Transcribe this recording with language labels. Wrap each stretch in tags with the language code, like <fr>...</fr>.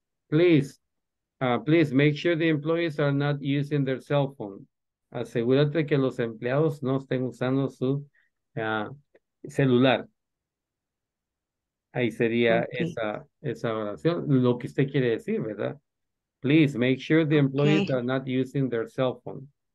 <en>Please make sure the employees are not using their cell phone.</en> <es>Asegúrate que los empleados no estén usando su celular. Ahí sería esa oración, lo que usted quiere decir, ¿verdad?</es> <en>Please make sure the employees are not using their cell phone.</en>